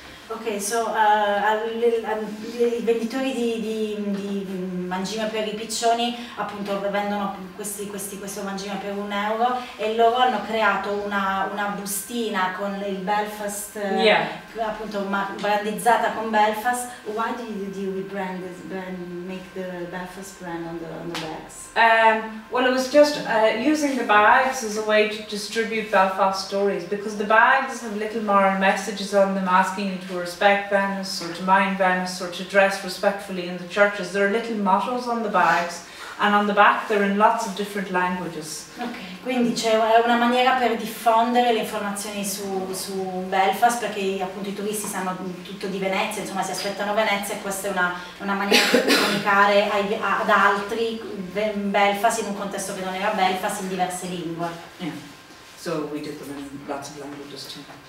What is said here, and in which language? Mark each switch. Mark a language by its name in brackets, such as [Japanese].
[Italian] Ok, so i venditori di mangime per i piccioni appunto vendono questo mangime per €1 e loro hanno creato una bustina con il Belfast, appunto brandizzata con Belfast. [English] Why did you rebrand this brand, make the Belfast brand on the bags? Well, it was just using the bags as a way to distribute Belfast stories, because the bags have little more messages on them asking you to respect Venice or to mind Venice or to dress respectfully in the churches. There are little mottos on the bags, and on the back they're in lots of different languages. Okay. [Italian] Quindi c'è una maniera per diffondere le informazioni su Belfast, perché appunto i turisti sanno tutto di Venezia, insomma si aspettano Venezia, e questa è una maniera per comunicare ad altri Belfast in un contesto che non era Belfast, in diverse lingue. [English] Yeah. So we did them in lots of languages too.